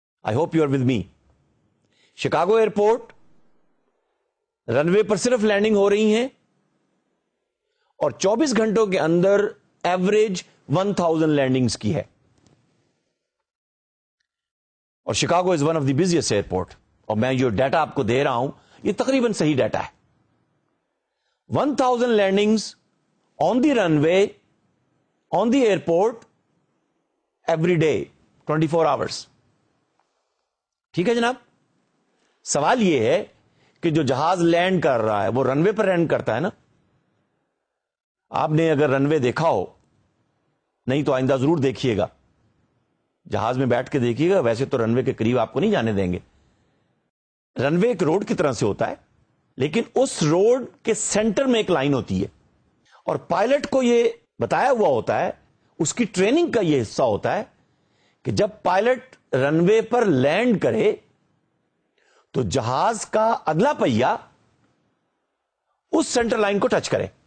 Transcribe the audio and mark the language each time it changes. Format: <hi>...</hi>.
<en>I hope you are with me.</en> <ur>Chicago airport رن وے پر صرف landing ہو رہی ہیں اور 24 گھنٹوں کے اندر ایوریج 1000 لینڈنگز کی ہے, اور</ur> <en>Chicago is one of the busiest airport.</en> <ur>اور میں جو ڈیٹا آپ کو دے رہا ہوں یہ تقریباً صحیح ڈیٹا ہے.</ur> <en>1000 landings on the runway on the airport every day 24 hours.</en> <ur>ٹھیک ہے جناب, سوال یہ ہے کہ جو جہاز لینڈ کر رہا ہے وہ رن وے پر لینڈ کرتا ہے نا. آپ نے اگر رن وے دیکھا ہو, نہیں تو آئندہ ضرور دیکھیے گا, جہاز میں بیٹھ کے دیکھیے گا. ویسے تو رن وے کے قریب آپ کو نہیں جانے دیں گے. رن وے ایک روڈ کی طرح سے ہوتا ہے, لیکن اس روڈ کے سینٹر میں ایک لائن ہوتی ہے, اور پائلٹ کو یہ بتایا ہوا ہوتا ہے, اس کی ٹریننگ کا یہ حصہ ہوتا ہے کہ جب پائلٹ رن وے پر لینڈ کرے تو جہاز کا اگلا پہیا اس سینٹر لائن کو ٹچ کرے.</ur>